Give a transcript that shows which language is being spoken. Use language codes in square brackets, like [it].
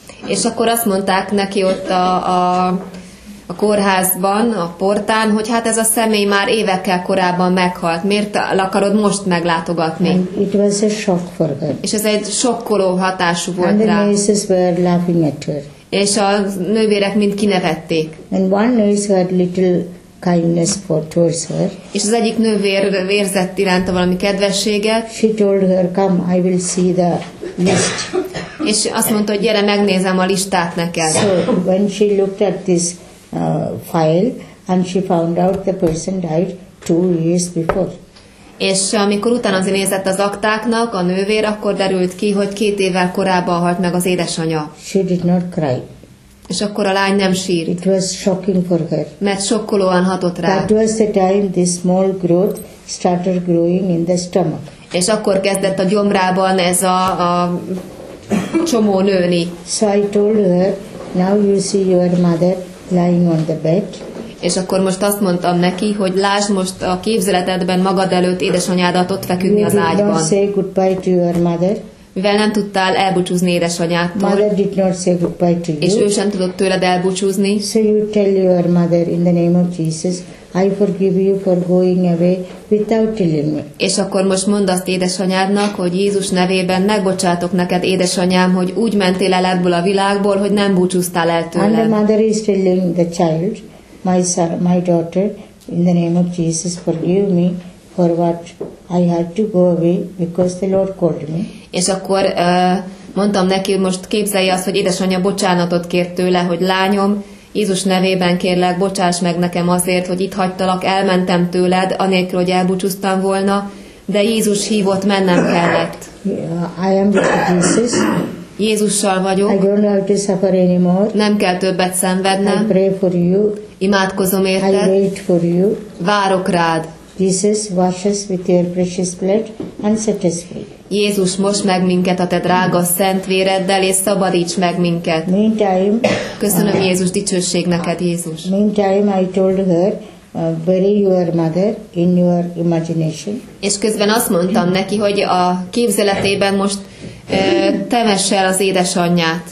[hu] És akkor azt mondták neki ott a kórházban, a portán, hogy hát ez a személy már évekkel korábban meghalt. Miért akarod most meglátogatni? [en] And it was a shock for her. [hu] És ez egy sokkoló hatású volt [en] and [hu] rá. [en] And the nurses were laughing at her. [hu] És a nővérek mind kinevették. [en] And one nurse had little kindness for towards her. [hu] És az egyik nővér érzett iránta valami kedvességet. [en] She told her, come, I will see the list. [hu] És azt mondta, hogy gyere, megnézem a listát neked. [en] So, when she looked at this file, and she found out the person died 2 years before. [hu] És amikor utána nézett az aktáknak, a nővér, akkor derült ki, hogy 2 évvel korábban halt meg az édesanyja. [en] She did not cry. [hu] És akkor a lány nem sírt. [en] It was shocking for her. [hu] Mert sokkolóan hatott rá. [en] That was the time this small growth started growing in the stomach. [hu] És akkor kezdett a gyomrában ez a csomó nőni. [en] So I told her, now you see your mother lying on the bed. [hu] És akkor most azt mondtam neki, hogy lásd most a képzeletedben magad előtt édesanyádat ott feküdni az ágyban. [en] Don't say goodbye to your mother. [hu] Mivel nem tudtál elbúcsúzni édesanyádtól. [en] Mother did not say goodbye to you. [hu] És ő sem tudott tőled elbúcsúzni. [en] So you tell your mother in the name of Jesus, I forgive you for going away without telling me. [hu] És akkor most mondd azt édesanyádnak, hogy Jézus nevében megbocsátok neked, édesanyám, hogy úgy mentél el ebből a világból, hogy nem búcsúztál el tőled. [en] And the mother is telling the child, my son, my daughter, in the name of Jesus, forgive me for what I had to go away because the Lord called me. [hu] És akkor mondtam neki, most képzelje azt, hogy édesanyja bocsánatot kért tőle, hogy lányom, Jézus nevében kérlek, bocsáss meg nekem azért, hogy itt hagytalak, elmentem tőled, anélkül, hogy elbúcsúztam volna, de Jézus hívott, mennem kellett. [en] I am with Jesus. [hu] Jézussal vagyok. [en] I don't have to suffer anymore. [hu] Nem kell többet szenvednem. [en] I pray for you. [hu] Imádkozom érted. [en] I wait for you. [hu] Várok rád. [en] Jesus washes with your precious blood and set us free. [hu] Jézus, mosd meg minket a te drága szent véreddel, és szabadíts meg minket. [en] Meantime, [hu] köszönöm Jézus, dicsőség neked, Jézus. [en] Meantime, I told her, bury your mother in your imagination. [hu] És közben azt mondtam neki, hogy a képzeletében most temess el az édesanyját.